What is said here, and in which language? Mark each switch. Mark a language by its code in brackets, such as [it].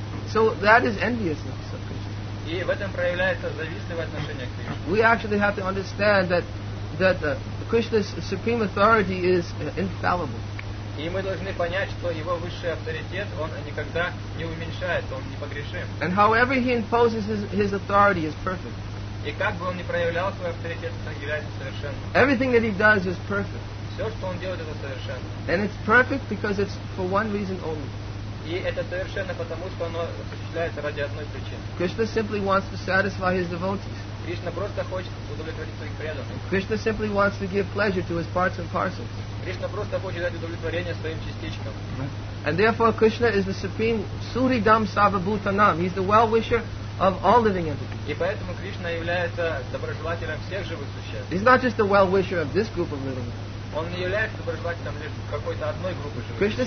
[en] So that is enviousness of Krishna. We actually have to understand that Krishna's Supreme Authority is infallible. [ru] И мы должны понять, что его высший авторитет, он никогда не уменьшается, он непогрешим. [en] And however he imposes his authority is perfect. [ru] И как бы он ни проявлял свой авторитет, он является совершенным. [en] Everything that he does is perfect. [ru] Все, что он делает, это совершенно. [en] And it's perfect because it's for one reason only. [ru] И это совершенно потому, что оно осуществляется ради одной причины. [en] Krishna simply wants to satisfy his devotees. [ru] Krishna просто хочет удовлетворить своих преданных. [en] Krishna simply wants to give pleasure to his parts and parcels. [ru] Кришна просто хочет дать удовлетворение своим частичкам. [en] And therefore Krishna is the supreme [sa] Suridam Savabhutanam. [en] He's the well-wisher of all living entities. [ru] И поэтому Кришна является доброжелателем всех живых существ. [en] He's not just the well-wisher of this group of living entities. [ru] Он не является доброжелателем лишь какой-то одной группы живых существ.